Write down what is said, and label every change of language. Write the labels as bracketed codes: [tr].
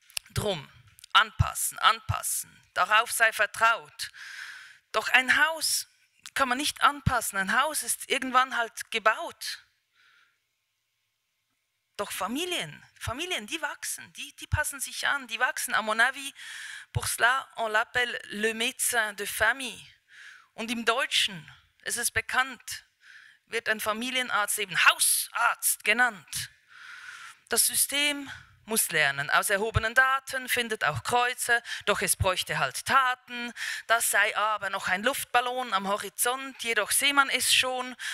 [de] Drum, anpassen, anpassen, darauf sei vertraut. Doch ein Haus kann man nicht anpassen. Ein Haus ist irgendwann halt gebaut. Doch Familien, die wachsen, die passen sich an, die wachsen. [fr] À mon avis, pour cela, on l'appelle le médecin de famille. [de] Und im Deutschen, es ist bekannt, wird ein Familienarzt eben Hausarzt genannt. Das System muss lernen. Aus erhobenen Daten findet auch Kreuze, doch es bräuchte halt Taten. Das sei aber noch ein Luftballon am Horizont, jedoch sehe man es schon.